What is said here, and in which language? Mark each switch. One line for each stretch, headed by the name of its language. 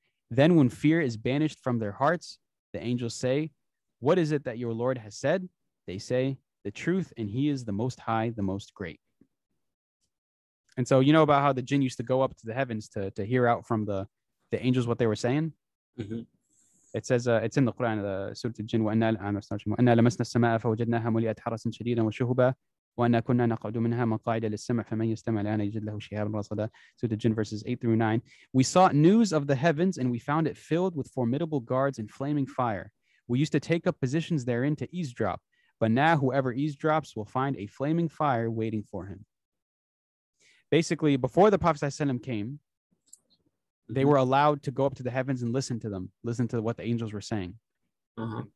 English: Then when fear is banished from their hearts, the angels say, what is it that your Lord has said? They say, the truth, and he is the most high, the most great. And so, you know about how the jinn used to go up to the heavens to hear out from the angels what they were saying? Mm-hmm. It says, it's in the Quran, the Surah al-Jinn,
Arabic: وَأَنَّا لَمَسْنَا السَّمَاءَ فَوَجَدْنَاهَا مُلِئَتْ حَرَسًا شَدِيدًا وَشُهُبًا وَأَنَّا كُنَّا نَقْعُدُ مِنْهَا مَقَاعِدَ لِلسَّمْعِ فَمَنْ يَسْتَمِعْ لَنَا يَجِدْ لَهُ شِهَابًا رَصَدًا.
English: Surah al-Jinn, verses 8 through 9. We sought news of the heavens, and we found it filled with formidable guards and flaming fire. We used to take up positions therein to eavesdrop, but now whoever eavesdrops will find a flaming fire waiting for him. Basically, before the Prophet ﷺ came, they were allowed to go up to the heavens and listen to them, listen to what the angels were saying. Uh-huh.